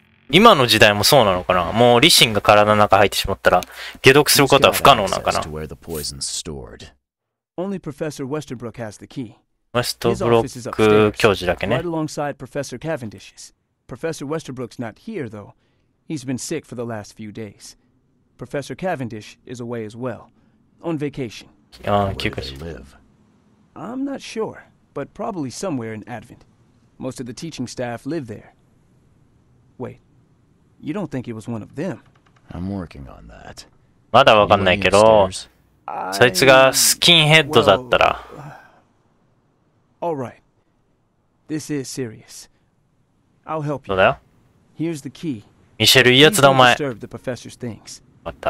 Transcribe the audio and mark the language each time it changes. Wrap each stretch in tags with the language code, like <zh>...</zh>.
<ja>今の時代もそうなのかな?もうリシンが体の中入ってしまったら、解毒することは不可能なのかな?</ja> <en>Where the poison's stored. Only Professor Westerbrook has the key.</en> <ja>ウェストブロック教授だけね。</ja> <en>Right alongside Professor Cavendish's. Professor Westerbrook's not here, though. He's been sick for the last few days. Professor Cavendish is away as well, on vacation. Where do they live? I'm not sure, but probably somewhere in Advent. Most of the teaching staff live there. Wait, you don't think it was one of them? I'm working on that.</en> <ja>まだわかんないけど、そいつがスキンヘッドだったら。</ja> <en>All right. This is serious. I'll help you. Here's the key.</en> <ja>ミシェルいいやつだお前。わかった。</ja>